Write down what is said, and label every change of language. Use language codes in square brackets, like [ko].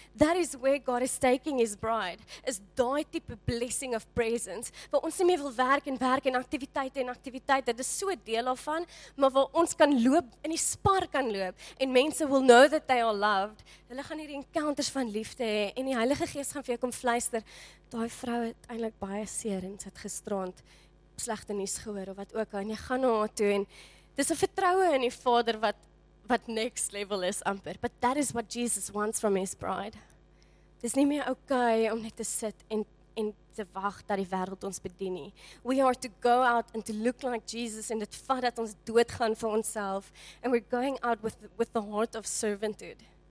[en] That is where God is taking his bride. [af] Is daai tipe blessing of presence. Waar ons nie meer wil werk en aktiwiteite en aktiwiteite. Dit is so deel daarvan, maar waar ons kan loop in die spar kan loop en mense [en] will know that they are loved. [af] Hulle gaan hierdie encounters van liefde hê en die Heilige Gees gaan vir jou kom fluister, daai vrou het eintlik baie seer en sit gestrand. Slegte nuus gehoor of wat ook al en jy gaan na haar toe en dis 'n vertroue in die Vader wat next level is amper. [en] But that is what Jesus wants from his bride. [af] Dis nie meer okay om net te sit en te wag dat die wêreld ons bedien nie. [en] We are to go out and to look like Jesus and it [af] vat dat ons doodgaan vir onsself [en] and we're going out with the heart of servanthood.